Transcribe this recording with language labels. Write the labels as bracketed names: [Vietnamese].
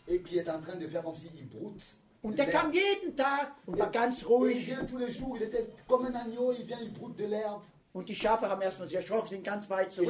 [French] Et puis est en train de faire comme si il broute. [German] Und der kam jeden Tag und war ganz ruhig. [French] Il vient tous les jours, il était comme un agneau, il vient, il broute de l'herbe. [German] Und die Schafe haben erstmal sich erschrocken, sind ganz weit zurück.